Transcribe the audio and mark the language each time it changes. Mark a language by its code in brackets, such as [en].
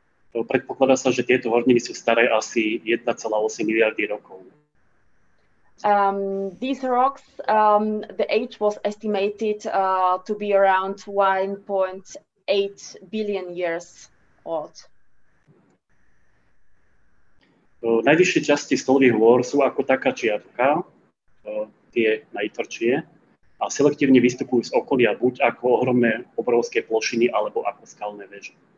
[sk] Predpokladá sa, že tieto horniny sú staré asi 1,8 miliardy rokov. [en] These rocks, the age was estimated to be around 1.8 billion years old. [sk] Najvyššie časti stolových hôr sú ako taká čiarka, tie najtvrdšie, a selektívne vystupujú z okolia buď ako ohromné obrovské plošiny, alebo ako skalné veže.